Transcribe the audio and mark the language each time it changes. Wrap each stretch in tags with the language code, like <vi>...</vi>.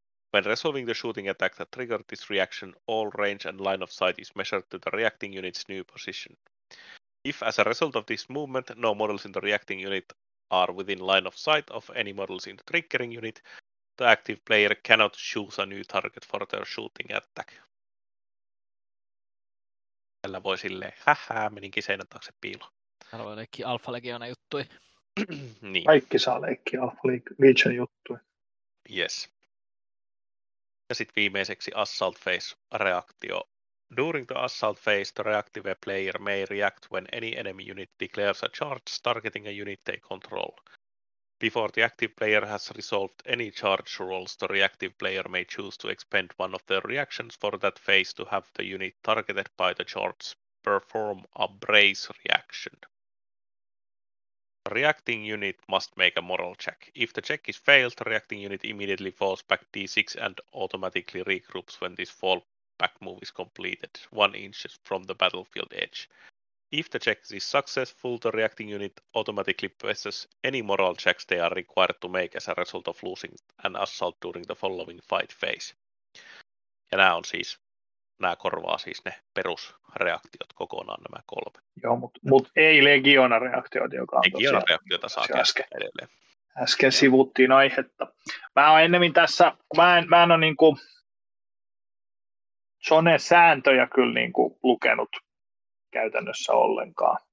<en>When resolving the shooting attack that triggered this reaction, all range and line of sight is measured to the reacting unit's new position. If, as a result of this movement, no models in the reacting unit are within line of sight of any models in the triggering unit, the active player cannot choose a new target for their shooting attack.</en> <fi>Tällä voi silleen, meninkin seinän taakse piiloon. Täällä voi leikkiä Alfa-legiona juttui. Niin. Kaikki saa leikkiä Alfa-legion juttui.</fi> <en>Yes.</en> <fi>Ja sitten viimeiseksi Assault Phase-reaktio.</fi> <en>During the Assault Phase, the reactive player may react when any enemy unit declares a charge targeting a unit they control. Before the active player has resolved any charge rolls, the reactive player may choose to expend one of their reactions for that phase to have the unit targeted by the charge perform a brace reaction. Reacting unit must make a moral check. If the check is failed, the reacting unit immediately falls back D6 and automatically regroups when this fall back move is completed, 1 inch from the battlefield edge. If the check is successful, the reacting unit automatically passes any moral checks they are required to make as a result of losing an assault during the following fight phase.</en> <fi>Ja nämä on siis nämä korvaa siis ne perusreaktiot kokonaan nämä kolme. Joo, mutta ei legionareaktiot, joka on legionareaktiota saa äsken edelleen. Äsken sivuttiin aihetta. Mä oon ennemmin tässä, mä en ole niinku Zonen sääntöjä kyllä niinku lukenut käytännössä ollenkaan.</fi>